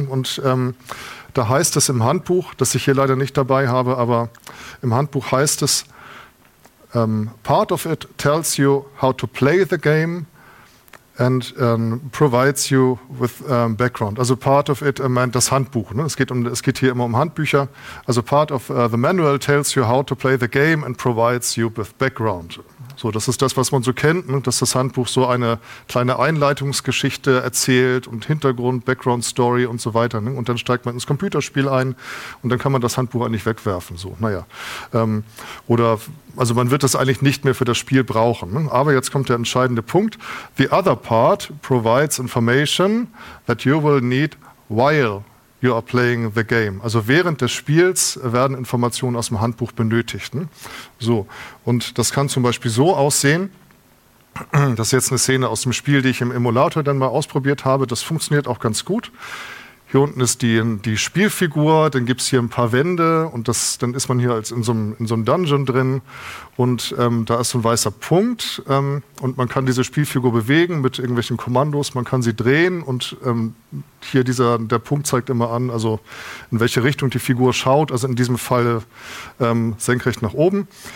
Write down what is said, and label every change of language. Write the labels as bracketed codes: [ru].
[de] Und da heißt es im Handbuch, das ich hier leider nicht dabei habe, aber im Handbuch heißt es, [en] part of it tells you how to play the game and provides you with background. [de] Also [en] part of it [de] meint das Handbuch. Ne? Es geht hier immer um Handbücher. [en] Also part of the manual tells you how to play the game and provides you with background. [de] So, das ist das, was man so kennt, ne? Dass das Handbuch so eine kleine Einleitungsgeschichte erzählt und Hintergrund, Background Story und so weiter. Ne? Und dann steigt man ins Computerspiel ein und dann kann man das Handbuch eigentlich wegwerfen. So, naja. Also man wird das eigentlich nicht mehr für das Spiel brauchen. Ne? Aber jetzt kommt der entscheidende Punkt. [en] The other part provides information that you will need while you are playing the game. [de] Also während des Spiels werden Informationen aus dem Handbuch benötigt. Ne? So, und das kann zum Beispiel so aussehen. Das ist jetzt eine Szene aus dem Spiel, die ich im Emulator dann mal ausprobiert habe. Das funktioniert auch ganz gut. Hier unten ist die Spielfigur, dann gibt es hier ein paar Wände und dann ist man hier als in so einem Dungeon drin und da ist so ein weißer Punkt und man kann diese Spielfigur bewegen mit irgendwelchen Kommandos, man kann sie drehen und hier der Punkt zeigt immer an, also in welche Richtung die Figur schaut, also in diesem Fall senkrecht nach oben.